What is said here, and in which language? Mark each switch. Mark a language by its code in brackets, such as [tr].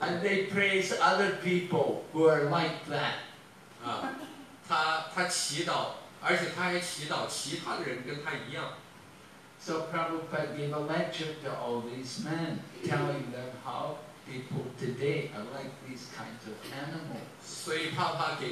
[en] And they praise other people who are like that. [zh] 他祈祷，而且他还祈祷其他的人跟他一样。 [en] So Prabhupada gave a lecture to all these men, telling them how people today are like these kinds of animals.